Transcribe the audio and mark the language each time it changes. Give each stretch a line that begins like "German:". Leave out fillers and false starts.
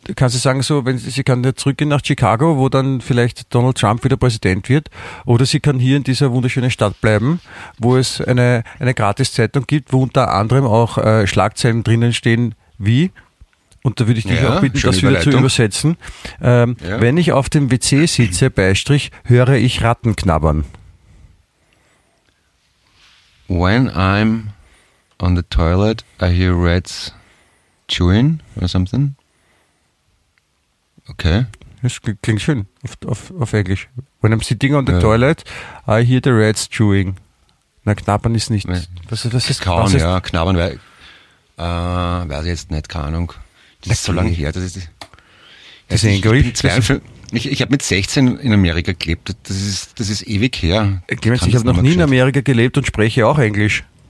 German: Du kannst sagen, so, wenn sie kann jetzt zurückgehen nach Chicago, wo dann vielleicht Donald Trump wieder Präsident wird, oder sie kann hier in dieser wunderschönen Stadt bleiben, wo es eine Gratiszeitung gibt, wo unter anderem auch Schlagzeilen drinnen stehen, wie, und da würde ich dich auch bitten, das wieder zu übersetzen, wenn ich auf dem WC sitze, / höre ich Ratten knabbern.
English: When I'm on the toilet, I hear rats chewing or something.
German: Okay. Das klingt schön auf Englisch.
English: When I'm sitting on the toilet, I hear the rats chewing.
German: Na, knabbern ist nicht. Was ist kauen, was ist, ja, knabbern, weil. Weiß ich jetzt nicht, keine Ahnung. Das ist so lange her. Das ist Englisch. Ich habe mit 16 in Amerika gelebt. Das ist ewig her. Ich habe noch nie in Amerika gelebt und spreche auch Englisch.